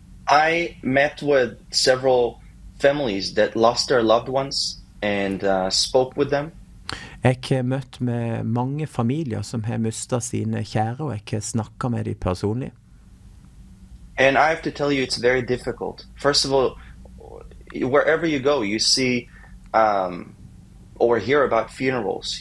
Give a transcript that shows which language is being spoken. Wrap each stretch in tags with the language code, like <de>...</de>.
<en>I met with several families that lost their loved ones and spoke with them.</en> <no>Jeg har møtt med mange familier som har mistet sine kjære, og jeg har snakket med dem personlig.</no> <en>And I have to tell you, it's very difficult. First of all, wherever you go, you see or hear about funerals.</en>